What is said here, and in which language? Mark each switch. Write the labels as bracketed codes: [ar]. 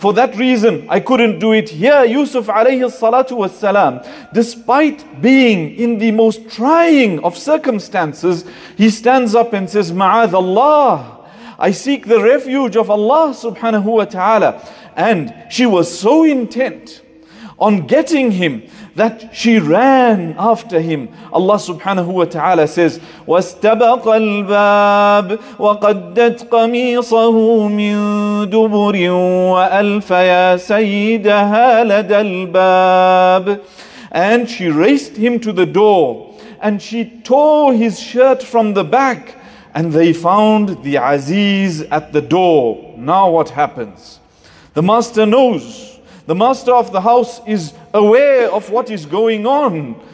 [en] For that reason, I couldn't do it. Here, Yusuf alayhi salatu was salam, despite being in the most trying of circumstances, he stands up and says, Ma'ad Allah, I seek the refuge of Allah subhanahu wa ta'ala. And she was so intent on getting him that she ran after him. Allah subhanahu wa ta'ala says, [ar] وَاسْتَبَقَ الْبَابِ وَقَدَّتْ قَمِيصَهُ مِنْ دُبُرٍ وَأَلْفَ يَا سَيِّدَهَا لَدَى الْبَابِ. [en] And she raced him to the door and she tore his shirt from the back, and they found the Aziz at the door. Now what happens? The master knows. The master of the house is aware of what is going on.